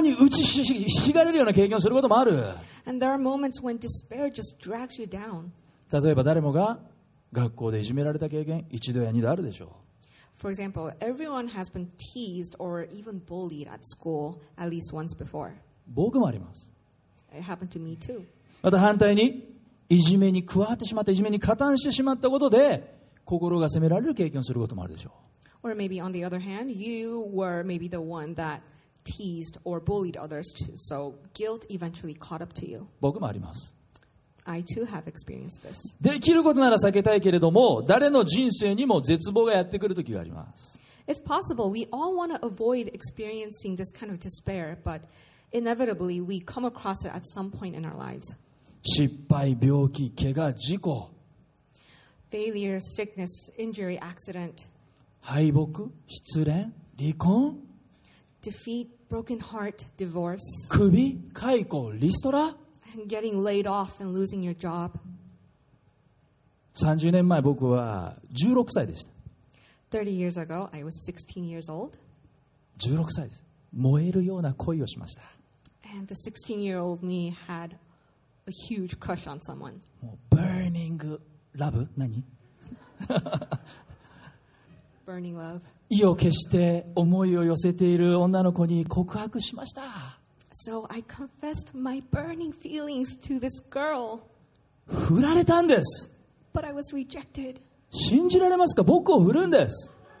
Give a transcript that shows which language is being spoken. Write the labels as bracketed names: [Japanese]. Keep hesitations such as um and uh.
[Japanese] に打ちひししがれるような経験をすることもある。 [English] And there are moments when despair just drags you down. [Japanese] 例えば誰もが学校でいじめられた経験、一度や二度あるでしょう。 [English] For example, everyone has been teased or even bullied at school at least once before. [Japanese] 僕もあります。 [English] It happened to me too. [Japanese] また反対に。いじめに加わってしまった、いじめに加担してしまったことで、心が責められる経験をすることもあるでしょう。 [English] Or maybe on the other hand, you were maybe the one that teased or bullied others too. So guilt eventually caught up to you. [Japanese] 僕もあります。 [English] I too have experienced this. [Japanese] できることなら避けたいけれども、誰の人生にも絶望がやってくるときがあります。 [English] If possible, we all want to avoid experiencing this kind of despair, but inevitably we come across it at some point in our lives. [Japanese] 失敗、病気、怪我、事故、 [English] failure, sickness, injury, accident、 [Japanese] 敗北、失恋、離婚、 [English] defeat, broken heart, divorce、 [Japanese] 首、解雇、リストラ、 [English] getting laid off and losing your job。 [Japanese] 30年前僕は16歳でした。 [English] 30 years ago, I was 16 years old. [Japanese] 16歳です。燃えるような恋をしました。 [English] And the 16 year old me had a huge crush on someone. [Japanese] も [English] う burning love? 何 burning love. [Japanese] 意を決して思いを寄せている女の子に告白しました。 [English] So I confessed my burning feelings to this girl. [Japanese] 振られたんです。 [English] But I was rejected. [Japanese] 信じられますか僕を振るんです。